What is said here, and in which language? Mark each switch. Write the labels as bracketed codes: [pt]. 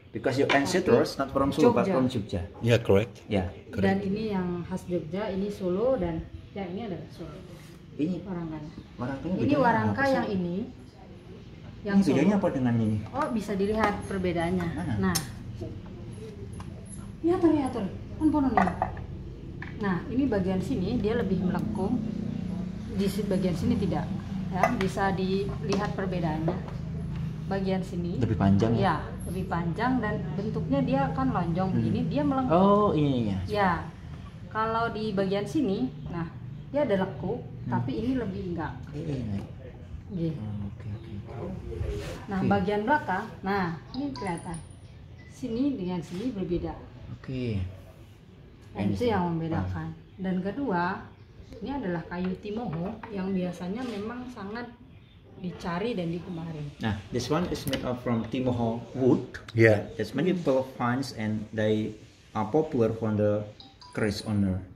[en] Because your ancestors not from Solo, but from Jogja. Yeah, correct. Yeah. Correct. [id] Dan ini yang khas Jogja, ini Solo, dan yang ini adalah Solo. Ini Warangkanya. Ini Warangka yang ini. Yang ini bedanya apa dengan ini? Oh, bisa dilihat perbedaannya. Mana? Nah. Lihat. Pon-ponon ini. Nah, ini bagian sini dia lebih melengkung. Di bagian sini tidak. Ya, bisa dilihat perbedaannya. Bagian sini lebih panjang ya? Ya, lebih panjang dan bentuknya dia kan lonjong. Ini dia melengkung. Oh, iya. Ya. Kalau di bagian sini, nah, dia ada lekuk, tapi ini lebih enggak. Iya. Nah, bagian belakang, nah, ini kelihatan. Sini dengan sini berbeda. Oke. Okay. Itu yang membedakan. Dan kedua, ini adalah kayu timoho yang biasanya memang sangat dicari dan digemari. [en] Nah, this one is made of from timoho wood. Yeah. It's many people finds and they are popular from the Chris owner.